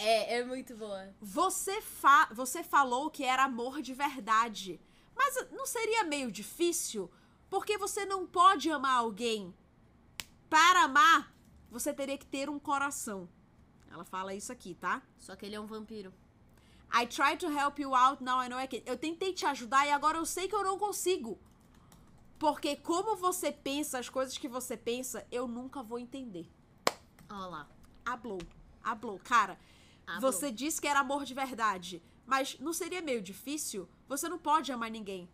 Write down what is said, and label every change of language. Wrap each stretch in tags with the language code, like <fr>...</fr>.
<pt>É muito boa. Você falou que era amor de verdade. Mas não seria meio difícil? Porque você não pode amar alguém. Para amar, você teria que ter um coração. Ela fala isso aqui, tá? Só que ele é um vampiro.</pt> <en>I tried to help you out, now I know I can.</en> <pt>Eu tentei te ajudar e agora eu sei que eu não consigo. Porque como você pensa as coisas que você pensa, eu nunca vou entender. Olha lá. Ablou. Cara, Você disse que era amor de verdade. Mas não seria meio difícil? Você não pode amar ninguém.</pt>